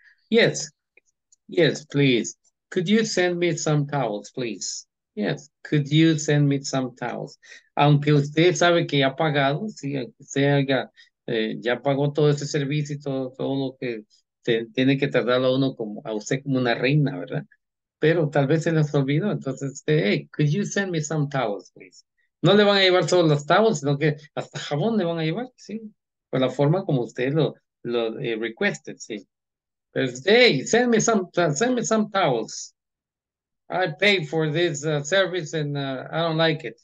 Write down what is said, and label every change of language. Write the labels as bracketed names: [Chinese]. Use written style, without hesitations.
[English] Yes. Yes, please. Could you send me some towels, please? Yes. Could you send me some towels? [Spanish] Aunque usted sabe que ya ha pagado, si sea, ya pagó todo ese servicio y todo lo que tiene que tardar a uno como a usted como una reina, ¿verdad? Pero tal vez se las olvidó. [English] Entonces, hey, could you send me some towels, please? [Spanish] No le van a llevar solo los towels, sino que hasta jabón le van a llevar, sí. Por la forma como usted lo requested, sí. [English] Pero, hey, send me some towels. I paid for this service and I don't like it.